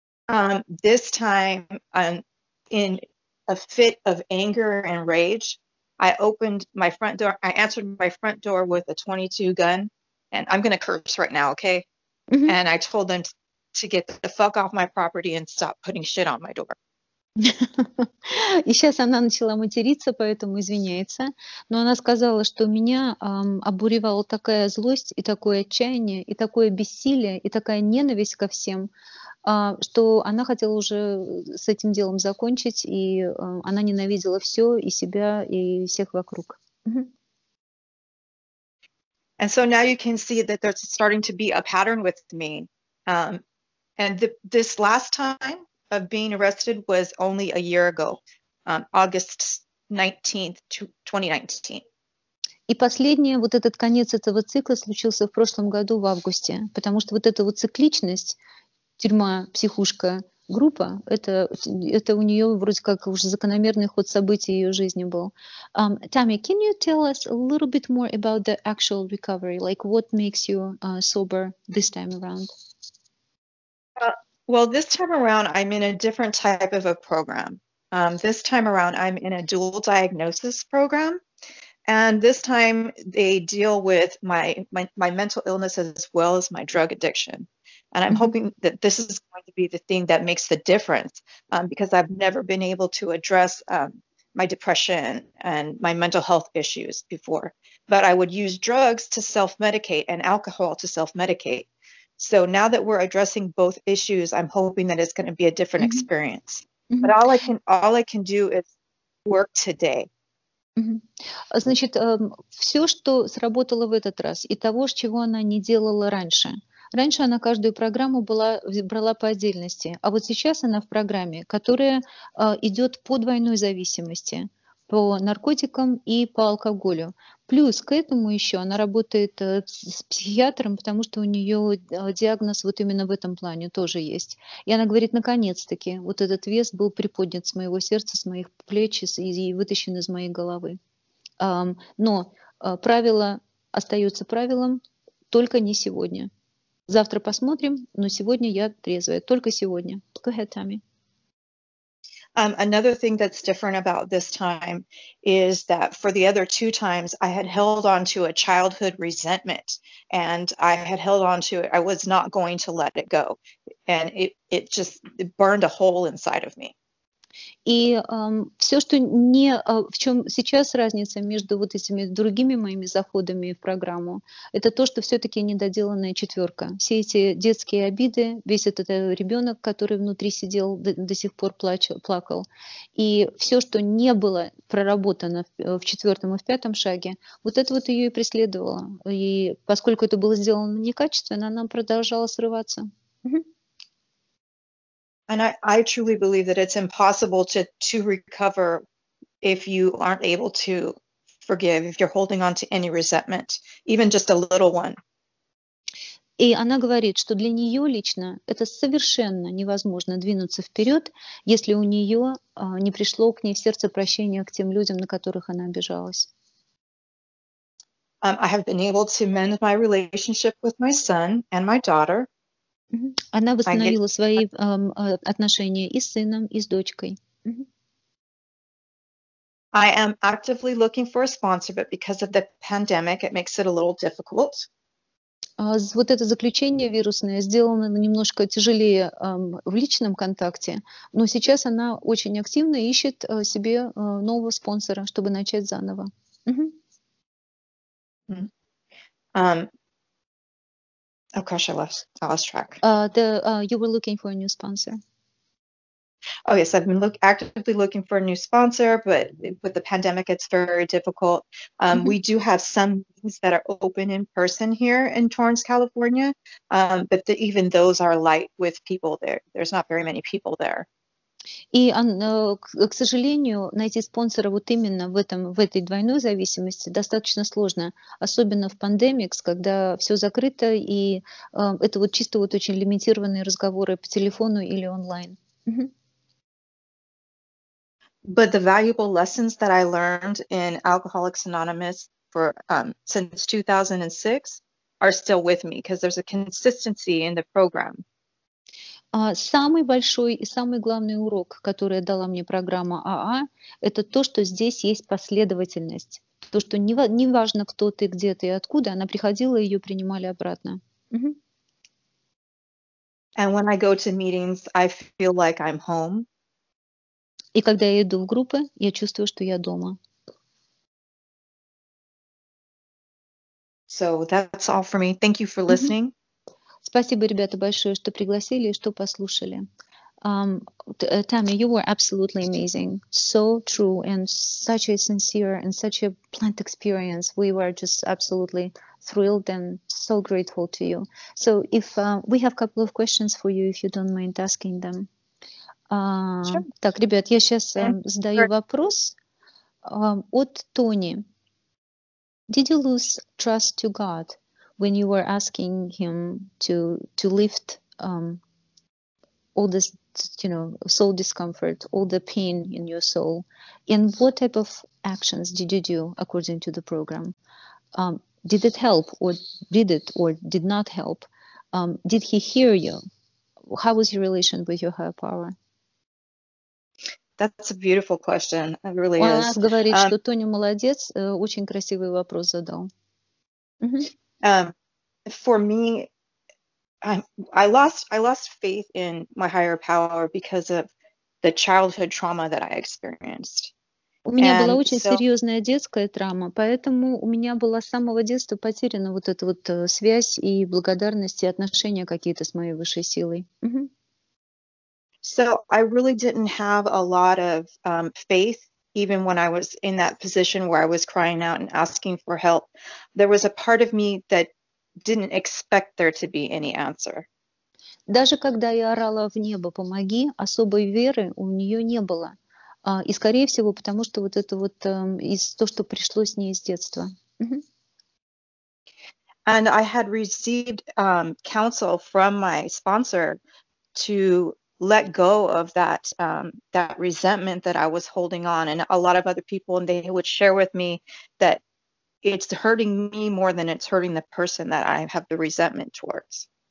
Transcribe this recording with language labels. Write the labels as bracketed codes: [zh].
[en] This time, in a fit of anger and rage, I opened my front door. I answered my front door with a .22 gun, and I'm going to curse right now, okay? Mm-hmm. And I told them to get the fuck off my property and stop putting shit on my door. [ru] И сейчас она начала материться, поэтому извиняется. Но она сказала, что меня обуревала такая злость и такое отчаяние и такое бессилие и такая ненависть ко всем, что она хотела уже с этим делом закончить, и она ненавидела все, и себя, и всех вокруг. [en] And so now you can see that there's starting to be a pattern with me. And this last time of being arrested was only a year ago, August 19th, 2019. [ru] И последнее, вот этот конец этого цикла случился в прошлом году в августе, потому что вот эта вот цикличность, тюрьма, психушка, группа, это у нее вроде как уже закономерный ход событий ее жизни был. [en] Tammy, can you tell us a little bit more about the actual recovery? Like what makes you sober this time around? Well, this time around, I'm in a different type of a program. This time around, I'm in a dual diagnosis program. And this time they deal with my mental illness as well as my drug addiction. And I'm hoping that this is going to be the thing that makes the difference because I've never been able to address my depression and my mental health issues before. But I would use drugs to self-medicate and alcohol to self-medicate. So now that we're addressing both issues, I'm hoping that it's going to be a different mm-hmm. experience. Mm-hmm. But all I can do is work today. [ru] Значит, все, что сработало в этот раз, и того, чего она не делала раньше. Раньше она каждую программу брала по отдельности, а вот сейчас она в программе, которая идет по двойной зависимости, по наркотикам и по алкоголю. Плюс к этому еще она работает с психиатром, потому что у нее диагноз вот именно в этом плане тоже есть. И она говорит, наконец-таки, вот этот вес был приподнят с моего сердца, с моих плеч и вытащен из моей головы. Но правило остается правилом, только не сегодня. Завтра посмотрим, но сегодня я трезвая, только сегодня. [en] Go ahead, Tammy. Another thing that's different about this time is that for the other two times, I had held on to a childhood resentment, and I had held on to it. I was not going to let it go, and it just burned a hole inside of me. [ru] И все, что не в чем сейчас разница между вот этими другими моими заходами в программу, это то, что все-таки недоделанная четверка. Все эти детские обиды, весь этот ребенок, который внутри сидел, до сих пор плакал. И все, что не было проработано в четвертом и в пятом шаге, вот это вот ее и преследовало. И поскольку это было сделано некачественно, она продолжала срываться. [en] And I truly believe that it's impossible to recover if you aren't able to forgive, if you're holding on to any resentment, even just a little one. [ru] И она говорит, что для нее лично это совершенно невозможно двинуться вперед, если у нее не пришло к ней в сердце прощения к тем людям, на которых она обижалась. [en] I have been able to mend my relationship with my son and my daughter. [ru] Она восстановила свои отношения и с сыном, и с дочкой. [en] I am actively looking for a sponsor, but because of the pandemic, it makes it a little difficult. [ru] Вот это заключение вирусное сделано немножко тяжелее в личном контакте, но сейчас она очень активно ищет себе нового спонсора, чтобы начать заново. [en] Oh gosh, I lost track. You were looking for a new sponsor. Oh yes, I've been actively looking for a new sponsor, but with the pandemic, it's very difficult. We do have some meetings that are open in person here in Torrance, California, but even those are light with people there. There's not very many people there. [ru] И, к сожалению, найти спонсора вот именно в этой двойной зависимости достаточно сложно, особенно в пандемикс, когда все закрыто, и это вот чисто вот очень лимитированные разговоры по телефону или онлайн. [en] But the valuable lessons that I learned in Alcoholics Anonymous since 2006 are still with me, because there's a consistency in the program. [ru] Самый большой и самый главный урок, который дала мне программа АА, это то, что здесь есть последовательность. То, что не важно, кто ты, где ты и откуда, она приходила, ее принимали обратно. [en] And when I go to meetings, I feel like I'm home. [ru] И когда я иду в группы, я чувствую, что я дома. [en] So that's all for me. Thank you for listening. [ru] Спасибо, ребята, большое, что пригласили и что послушали. [en] Tammy, you were absolutely amazing. So true and such a sincere and such a plant experience. We were just absolutely thrilled and so grateful to you. So if we have a couple of questions for you, if you don't mind asking them. Sure. [ru] Так, ребят, я сейчас задаю вопрос от Тони. [en] Did you lose trust to God when you were asking him to lift all this, you know, soul discomfort, all the pain in your soul? And what type of actions did you do according to the program? Did it help or did not help? Did he hear you? How was your relation with your higher power? That's a beautiful question. It really [ru] Она [en] is. [ru] Говорит, что Тоня молодец, очень красивый вопрос задал. [en] For me, I lost faith in my higher power because of the childhood trauma that I experienced. [ru] У меня [en] And [ru] была очень [en] so... [ru] серьезная детская травма, поэтому у меня была с самого детства потеряна вот эта вот связь и благодарность и отношения какие-то с моей высшей силой. [en] So I really didn't have a lot of faith, even when I was in that position where I was crying out and asking for help. There was a part of me that didn't expect there to be any answer. [ru] Даже когда я орала в небо, помоги, особой веры у нее не было. И скорее всего, потому что вот это вот из то, что пришлось с ней с детства. [en] And I had received counsel from my sponsor to let go of that that resentment that I was holding on, and a lot of other people, and they would share with me that it's hurting me more than it's hurting the person that I have the resentment towards.